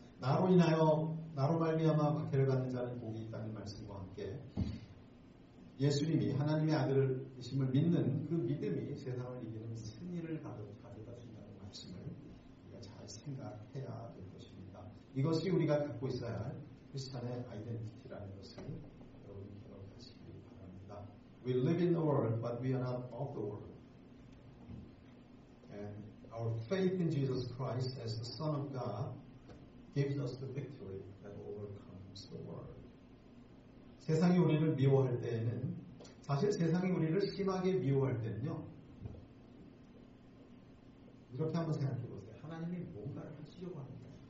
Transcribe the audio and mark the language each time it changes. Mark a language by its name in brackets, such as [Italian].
[Korean] 나로 인하여 나로 말미암아 박해를 받는 자는 복이 있다는 말씀과 함께 예수님이 하나님의 아들이심을 믿는 그 믿음이 세상을 이기는 승리를 가져다 준다는 말씀을 우리가 잘 생각해야 될 것입니다. 이것이 우리가 갖고 있어야 할 크리스찬의 아이덴티티라는 것을 여러분 기억하시기 바랍니다. [English] We live in the world, but we are not of the world. And our faith in Jesus Christ as the Son of God gives us the victory that overcomes the world. [Korean] 세상이 우리를 미워할 때에는 사실 세상이 우리를 심하게 미워할 때는요 이렇게 한번 생각해 보세요. 하나님이 뭔가를 하시려고 합니다.